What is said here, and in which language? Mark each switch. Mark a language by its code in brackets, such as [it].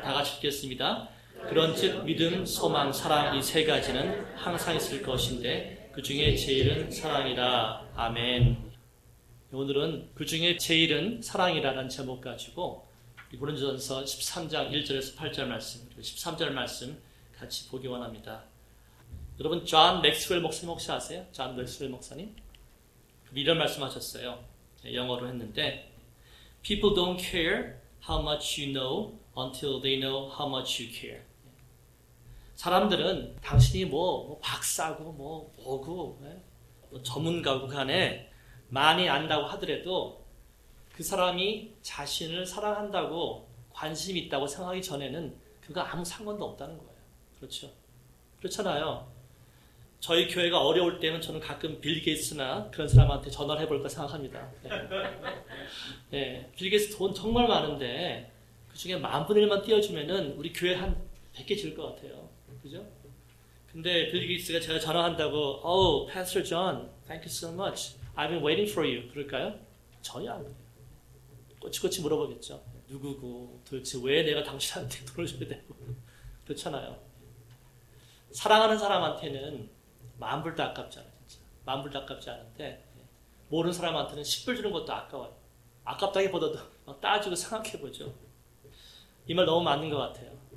[ko] 다 같이 읽겠습니다. 그런즉 믿음, 소망, 사랑 이 세 가지는 항상 있을 것인데 그 중에 제일은 사랑이라. 아멘. 오늘은 그 중에 제일은 사랑이라는 제목 가지고 고린도전서 13장 1절에서 8절 말씀 그리고 13절 말씀 같이 보기 원합니다. 여러분 존 맥스웰 목사님 혹시 아세요? 존 맥스웰 목사님? 이런 말씀하셨어요. 영어로 했는데 [en] People don't care how much you know until they know how much you care. [ko] 사람들은 당신이 뭐 박사고 뭐고 뭐 전문가고 간에 많이 안다고 하더라도 그 사람이 자신을 사랑한다고 관심 있다고 생각하기 전에는 그거 아무 상관도 없다는 거예요. 그렇죠? 그렇잖아요. 저희 교회가 어려울 때는 저는 가끔 빌 게이츠나 그런 사람한테 전화를 해볼까 생각합니다. 네. 네. 빌 게이츠 돈 정말 많은데 그중에 만 분의 1만 띄워주면은 우리 교회 한 100개 줄 것 같아요. 그죠? 근데 빌 게이츠가 제가 전화한다고 [en] Oh, Pastor John, thank you so much. I've been waiting for you. [ko] 그럴까요? 전혀 안 그래요. 꼬치꼬치 물어보겠죠. 누구고 도대체 왜 내가 당신한테 돈을 줘야 되고 그렇잖아요. 사랑하는 사람한테는 만불도 아깝지 않아요. 진짜. 만불도 아깝지 않은데 모르는 사람한테는 10불 주는 것도 아까워요. 아깝다기보다도 막 따지고 생각해보죠. 이 말 너무 맞는 것 같아요.